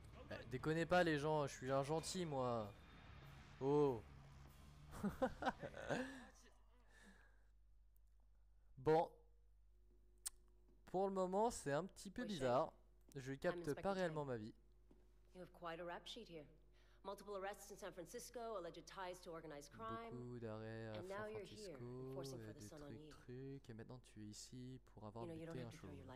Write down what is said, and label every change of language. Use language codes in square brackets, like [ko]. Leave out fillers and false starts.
[fr] Eh, déconnez pas, les gens. Je suis un gentil, moi. Oh. Bon. Pour le moment, c'est un petit peu bizarre. Je capte pas réellement ma vie. [en] You have quite a rap sheet here. Multiple arrests in San Francisco, alleged ties to organized crime. [fr] Beaucoup d'arrêts à San Francisco, des trucs. Et maintenant, tu es ici pour avoir buté un chauve.